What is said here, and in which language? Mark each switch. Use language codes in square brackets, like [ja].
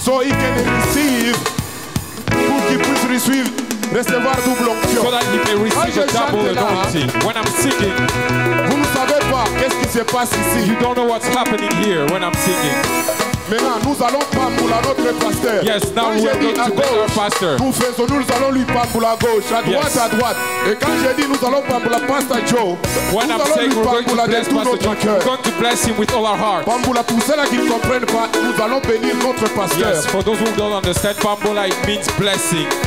[en] So he can receive, [fr] pour qu'il puisse recevoir, recevoir double onction. [en] So that he may receive a double anointing. When I'm singing, [fr] vous ne savez pas qu'est-ce qui se passe ici. [en] You don't know what's happening here when I'm singing. [fr] Maintenant, nous allons prendre pour la notre pasteur. [en] Yes, now we're going to bless our pastor. [fr] Nous faisons, nous allons lui prendre pour la gauche, à droite, à droite. Et quand j'ai dit nous allons prendre pour la pasteur Joe, [en] when I'm saying we're going to bless Pastor Joe, we're going to bless him with all our heart. [fr] Pambula, pour ceux qui ne comprennent pas, nous allons bénir notre pasteur. [en] Yes, for those who don't understand, Pambula, it means blessing.